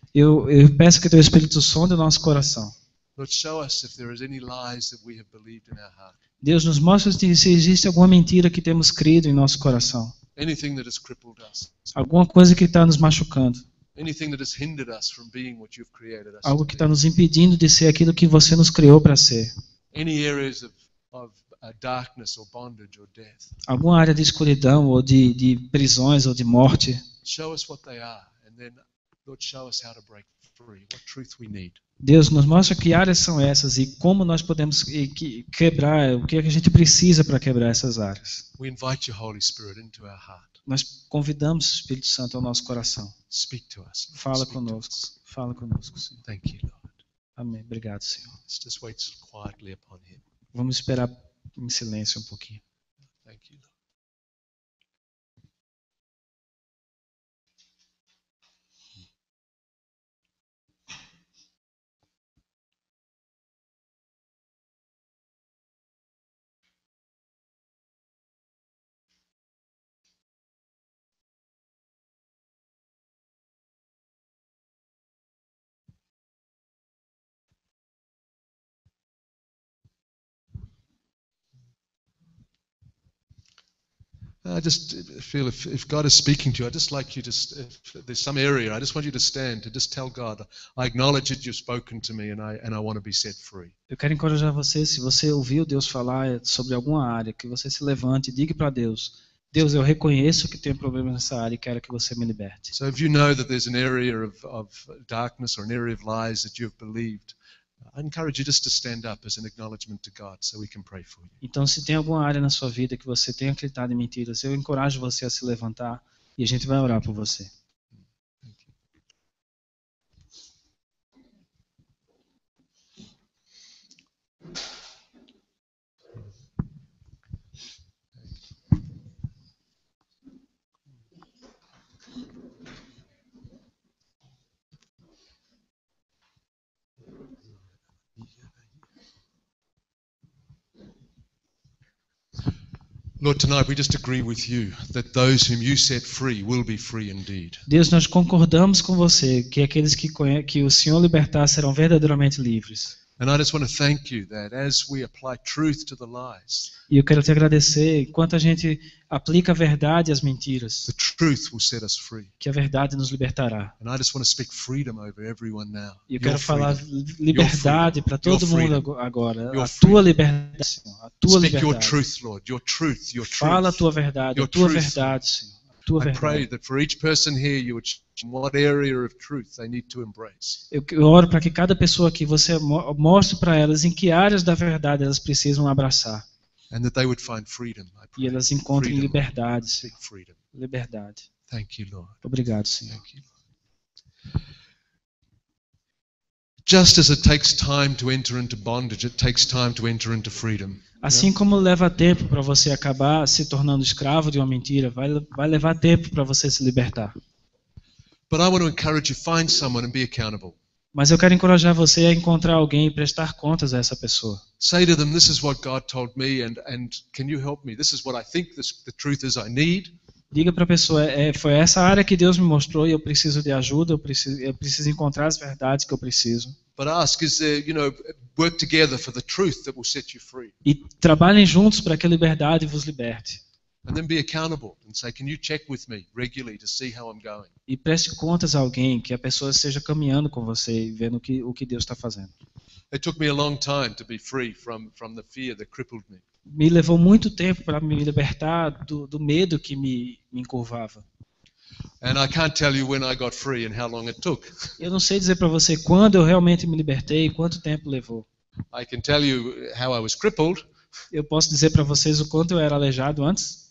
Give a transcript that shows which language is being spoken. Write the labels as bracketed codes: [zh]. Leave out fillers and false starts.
[pt] Eu peço que teu Espírito sonde o nosso coração. [en] Lord, show us if there is any lies that we have believed in our heart. [pt] Deus, nos mostra se existe alguma mentira que temos crido em nosso coração. [en] Anything that has crippled us. [pt] Alguma coisa que está nos machucando. [en] Anything that has hindered us from being what you've created us. [pt] Algo que está nos impedindo de ser aquilo que você nos criou para ser. [en] Any areas of darkness or bondage or death. [pt] Alguma área de escuridão ou de prisões ou de morte. [en] Show us what they are and then Lord, show us how to break free. What truth we need. [pt] Deus, nos mostra que áreas são essas e como nós podemos quebrar, o que é que a gente precisa para quebrar essas áreas. [en] We invite your Holy Spirit into our heart. [pt] Nós convidamos o Espírito Santo ao nosso coração. [en] Speak to us. [pt] Fala conosco. Fala conosco, Senhor. [en] Thank you, Lord. [pt] Amém. Obrigado, Senhor. [en] Let's just wait quietly upon him. [pt] Vamos esperar em silêncio um pouquinho. [en] Thank you, Lord. I just feel if God is speaking to you, I'd just like you to, if there's some area, I just want you to stand to just tell God, I acknowledge that you've spoken to me and I want to be set free. [pt] Eu quero encorajar você, se você ouviu Deus falar sobre alguma área, que você se levante e diga para Deus, Deus, eu reconheço que tenho problemas nessa área e quero que você me liberte. [en] So if you know that there's an area of darkness or an area of lies that you've believed, I encourage you just to stand up as an acknowledgement to God so we can pray for you. [pt] Então se tem alguma área na sua vida que você tem acreditado em mentiras, eu encorajo você a se levantar e a gente vai orar por você. [en] Lord, tonight we just agree with you that those whom you set free will be free indeed. [pt] Deus, nós concordamos com você que aqueles que o Senhor libertar serão verdadeiramente livres. [en] And I just want to thank you that as we apply truth to the lies. [pt] E eu quero te agradecer enquanto a gente aplica a verdade às mentiras. [en] The truth will set us free. [pt] Que a verdade nos libertará. [en] And I just want to speak freedom over everyone now. [pt] E eu quero falar liberdade para todo mundo agora. A tua liberdade, Senhor. A tua liberdade. [en] Speak your truth, Lord. Your truth, your truth. [pt] Fala a tua verdade, a tua verdade, Senhor. [en] I pray that for each person here, you would choose what area of truth they need to embrace. [pt] Eu oro para que cada pessoa aqui você mostre para elas em que áreas da verdade elas precisam abraçar. [en] And that they would find freedom. I pray. [pt] E elas encontrem [en] freedom, [pt] liberdade. [en] Seek freedom. [pt] Liberdade. [en] Thank you, Lord. [pt] Obrigado, Senhor. [en] Thank you, Lord. Just as it takes time to enter into bondage, it takes time to enter into freedom. [pt] Assim como leva tempo para você acabar se tornando escravo de uma mentira, vai levar tempo para você se libertar. [en] But I want to encourage you, find someone and be accountable. [pt] Mas eu quero encorajar você a encontrar alguém e prestar contas a essa pessoa. [en] Say to them, this is what God told me and can you help me? This is what I think the truth is I need. [pt] Diga para a pessoa, foi essa área que Deus me mostrou e eu preciso de ajuda, eu preciso encontrar as verdades que eu preciso. [en] But ask, is there, you know, work together for the truth that will set you free. [pt] E trabalhem juntos para que a liberdade vos liberte. [en] And then be accountable and say, can you check with me regularly to see how I'm going? [pt] E preste contas a alguém que a pessoa esteja caminhando com você e vendo o que Deus está fazendo. [en] It took me a long time to be free from the fear that crippled me. [pt] Me levou muito tempo para me libertar do medo que me encurvava. [en] And I can't tell you when I got free and how long it took. [pt] Eu não sei dizer para você quando eu realmente me libertei e quanto tempo levou. [en] I can tell you how I was crippled. [pt] Eu posso dizer para vocês o quanto eu era aleijado antes.